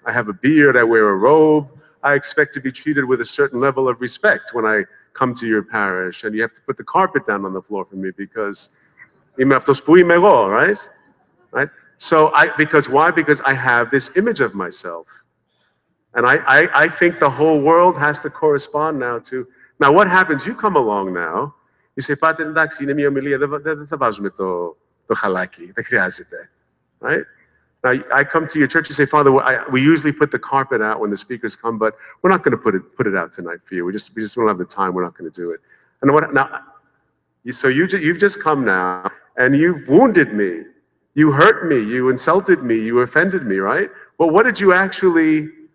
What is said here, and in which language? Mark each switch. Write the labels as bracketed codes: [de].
[en] I have a beard, I wear a robe. I expect to be treated with a certain level of respect when I come to your parish, and you have to put the carpet down on the floor for me because [el] είμαι αυτός που είμαι εγώ, [en] right? Right? So Because I have this image of myself. And I think the whole world has to correspond now to, now what happens? You come along now, you say, [el] Πάτε, εντάξει, είναι μια ομιλία, δεν θα βάζουμε το χαλάκι, δεν χρειάζεται. [en] Right? Now, I come to your church and say, Father, we usually put the carpet out when the speakers come, but we're not going to put it out tonight for you. We just don't have the time. We're not going to do it. And what now? So you've just come now, and you've wounded me. You hurt me. You insulted me. You offended me, right? Well, what did you actually